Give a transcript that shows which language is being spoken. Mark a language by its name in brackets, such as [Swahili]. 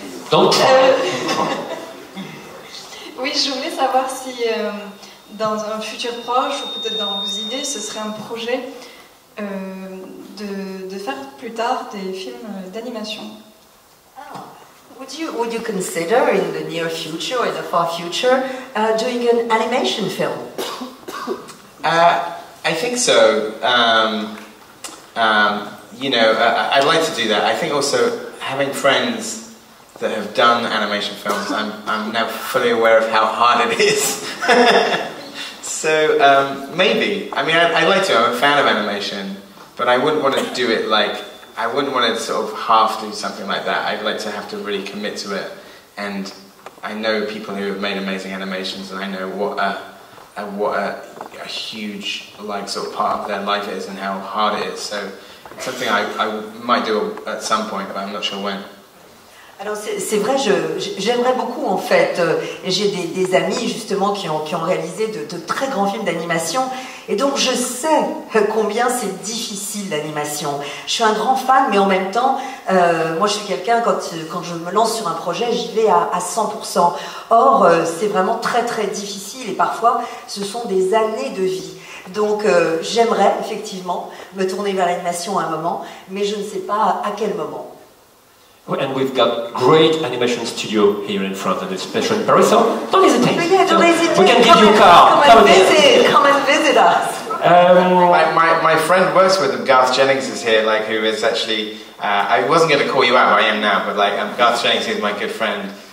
[French] Donc, Oui, je voulais savoir si dans un futur proche, ou peut-être dans vos idées, ce serait un projet de faire plus tard des films d'animation. Oh. [English] Would you consider in the near future, in the far future, doing an animation film? I think so. You know, I'd like to do that. I think also having friends that have done animation films, I'm now fully aware of how hard it is. So maybe. I mean, I'd like to. I'm a fan of animation, but I wouldn't want to do it like, I wouldn't want to sort of half do something like that. I'd like to have to really commit to it. And I know people who have made amazing animations, and I know what a huge, like, sort of part of their life is and how hard it is. So it's something I might do at some point, but I'm not sure when. [French] Alors c'est vrai, j'aimerais beaucoup en fait, j'ai des amis justement qui ont réalisé de très grands films d'animation, et donc je sais combien c'est difficile l'animation. Je suis un grand fan, mais en même temps, moi je suis quelqu'un, quand je me lance sur un projet, j'y vais à 100%. Or, c'est vraiment très très difficile, et parfois ce sont des années de vie. Donc j'aimerais effectivement me tourner vers l'animation à un moment, mais je ne sais pas à quel moment. [English] And we've got great animation studio here in front of this special in Paris, so don't hesitate. Yeah, don't hesitate. We can give you a car. Come and visit us. My friend works with them. Garth Jennings is here, like, who is actually, I wasn't going to call you out, but I am now, but like, Garth Jennings is my good friend.